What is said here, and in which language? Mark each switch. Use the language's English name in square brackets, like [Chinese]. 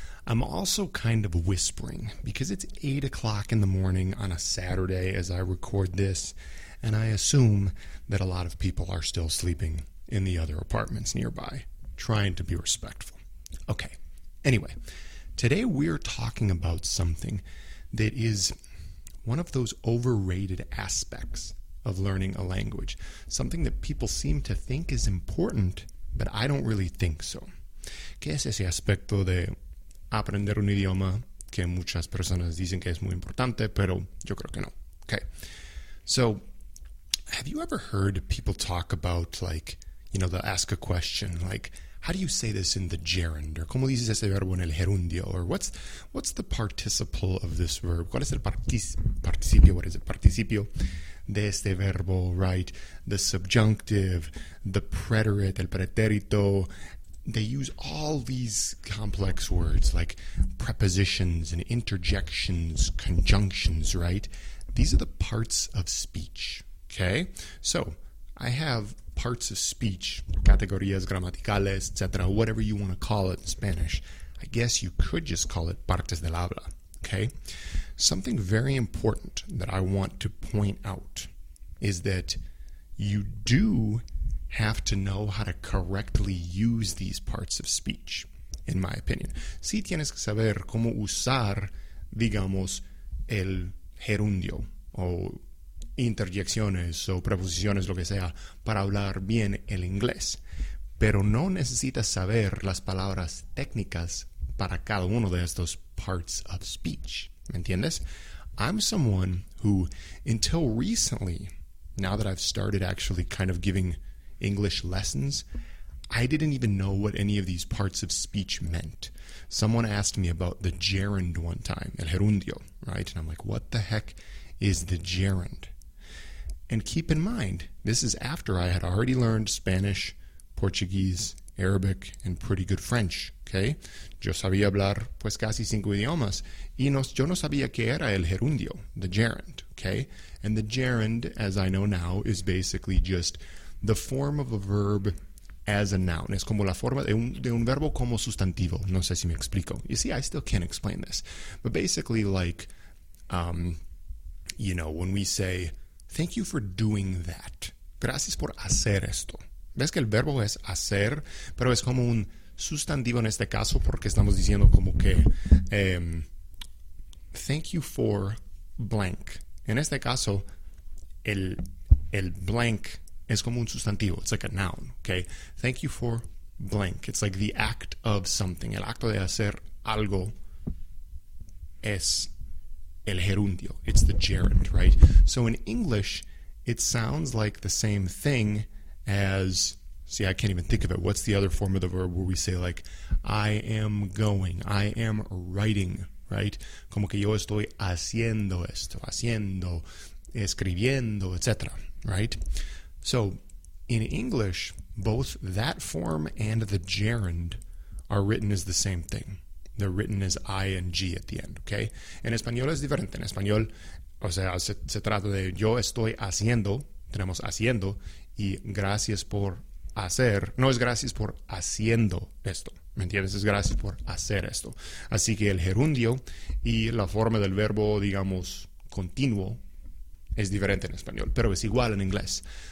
[English] I'm also kind of whispering because it's 8 o'clock in the morning on a Saturday as I record this, and I assume that a lot of people are still sleeping in the other apartments nearby, trying to be respectful. Okay, anyway, today we're talking about something that is one of those overrated aspects of learning a language, something that people seem to think is important, but I don't really think so. [Spanish] ¿Qué es ese aspecto de aprender un idioma que muchas personas dicen que es muy importante, pero yo creo que no? [English] Okay. So, have you ever heard people talk about, like, you know, they'll ask a question, like, how do you say this in the gerund? [Spanish] Or ¿cómo dices ese verbo en el gerundio? [English] Or what's the participle of this verb? [Spanish] ¿Cuál es el participio? [English] What is it? [Spanish] Participio de este verbo, [English] right? The subjunctive, the preterite, el pretérito. They use all these complex words like prepositions and interjections, conjunctions, right? These are the parts of speech, okay? So, I have parts of speech, categorías gramaticales, etc., whatever you want to call it in Spanish. I guess you could just call it partes del habla, okay? Something very important that I want to point out is that you do have to know how to correctly use these parts of speech, in my opinion. [Spanish] Sí tienes que saber cómo usar, digamos, el gerundio o interjecciones o preposiciones, lo que sea, para hablar bien el inglés. Pero no necesitas saber las palabras técnicas para cada uno de estos parts of speech. ¿Me entiendes? [English] I'm someone who, until recently, now that I've started actually kind of giving English lessons, I didn't even know what any of these parts of speech meant. Someone asked me about the gerund one time, el gerundio, right? And I'm like, what the heck is the gerund? And keep in mind, this is after I had already learned Spanish, Portuguese, Arabic, and pretty good French, okay? [Spanish] Yo sabía hablar pues casi cinco idiomas, y yo no sabía qué era el gerundio, the gerund, okay? [English] And the gerund, as I know now, is basically just the form of a verb as a noun. [Spanish] Es como la forma de un verbo como sustantivo. No sé si me explico. [English] You see, I still can't explain this. But basically, like, you know, when we say, thank you for doing that. [Spanish] Gracias por hacer esto. ¿Ves que el verbo es hacer? Pero es como un sustantivo en este caso porque estamos diciendo como que [English] thank you for blank. [Spanish] En este caso, el blank es como un sustantivo. [English] It's like a noun, okay? Thank you for blank. It's like the act of something. [Spanish] El acto de hacer algo es el gerundio. [English] It's the gerund, right? So in English, it sounds like the same thing as, see, I can't even think of it. What's the other form of the verb where we say, like, I am going, I am writing, right? [Spanish] Como que yo estoy haciendo esto, haciendo, escribiendo, etc., right? [English] So in English, both that form and the gerund are written as the same thing. They're written as ing at the end, okay? [Spanish] En español es diferente. En español, o sea, se trata de yo estoy haciendo, tenemos haciendo, y gracias por hacer, no es gracias por haciendo esto, ¿me entiendes? Es gracias por hacer esto. Así que el gerundio y la forma del verbo, digamos, continuo, es diferente en español, pero es igual en inglés.